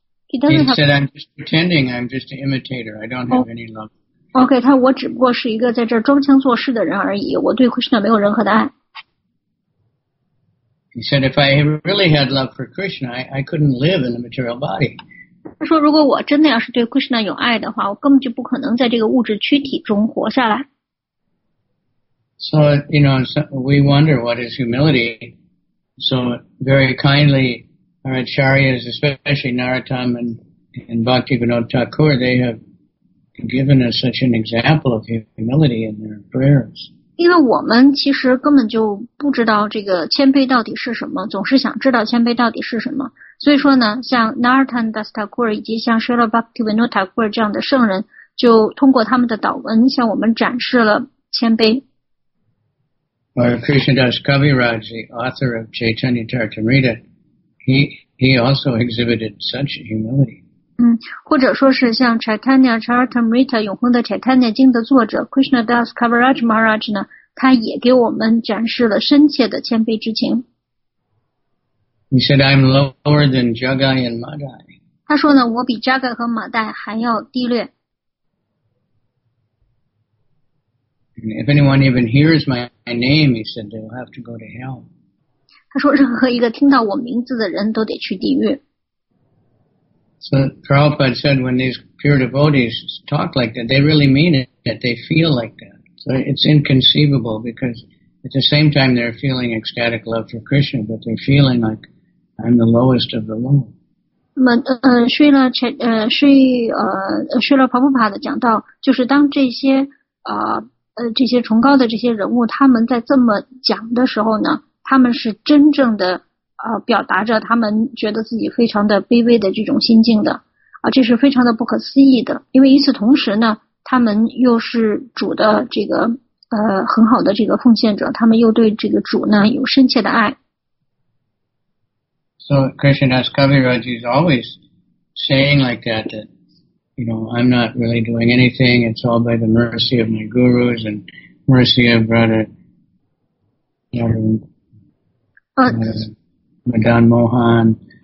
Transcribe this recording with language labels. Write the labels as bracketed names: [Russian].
[English] He said I'm just pretending, I'm just an imitator. I don't have any love. [Chinese] OK， 他说我只不过是一个在这装腔作势的人而已，我对 Krishna 没有任何的爱。 [English] He said if I really had love for Krishna, I couldn't live in the material body. [Chinese] 他说如果我真的要是对 Krishna 有爱的话，我根本就不可能在这个物质躯体中活下来。 [English] So, you know, we wonder what is humility. So very kindly, our acharyas, especially Narottam and Bhaktivinoda Thakur, they have,given us such an example of humility in their prayers. [Chinese] 因为我们其实根本就不知道这个谦卑到底是什么，总是想知道谦卑到底是什么。所以说呢，像 Narottam Das Thakur 以及像 Srila Bhaktivinoda Thakur 这样的圣人，就通过他们的祷文向我们展示了谦卑。 [English] Or Krishna Das Kaviraj, the author of Chaitanya Charitamrita, he also exhibited such humility. [Chinese] 或者说是像 Chaitanya Charitamrita 永恒的 Chaitanya 经的作者 Krishna Das Kaviraj Maharaj 呢，他也给我们展示了深切的谦卑之情。 [English] He said I'm lower than Jagai and Madai. [Chinese] 他说呢，我比 Jagai 和 Madai 还要低劣。 [English] If anyone even hears my name, he said they will have to go to hell. [Chinese] 他说任何一个听到我名字的人都得去地狱。 [English] So Prabhupada said when these pure devotees talk like that, they really mean it, that they feel like that. So it's inconceivable because at the same time they're feeling ecstatic love for Krishna, but they're feeling like I'm the lowest of the low. [Chinese] Srila Prabhupada 讲到就是当这些崇高的这些人物他们在这么讲的时候呢，他们是真正的表达着他们觉得自己非常的卑微的这种心境的这是非常的不可思议的，因为与此同时呢，他们又是主的这个很好的这个奉献者，他们又对这个主呢有深切的爱。 [English] So Krishna Das Kaviraj is always saying like that, that you know, I'm not really doing anything, it's all by the mercy of my gurus and mercy of Radha Madan Mohan,